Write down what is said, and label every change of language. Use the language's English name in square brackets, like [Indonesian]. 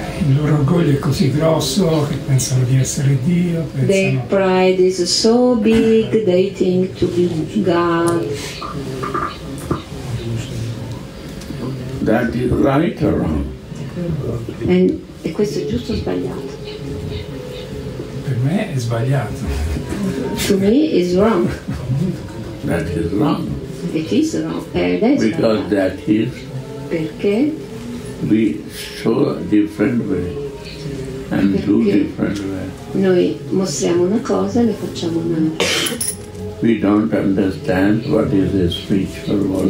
[Italian] Il loro orgoglio è così grosso che pensano di essere Dio. Pensano... [English] Their pride is so big, they think to be God. That is right or wrong? [Italian] E questo è giusto o sbagliato? Per me è sbagliato. [English] To me is wrong. That is wrong. It is wrong. That's because [Italian] sbagliato. [English] That is. [Italian] Perché? [English] We show a different way and do different way. [Italian] Noi mostriamo una cosa e ne facciamo un'altra. [English] We don't understand what is a spiritual world.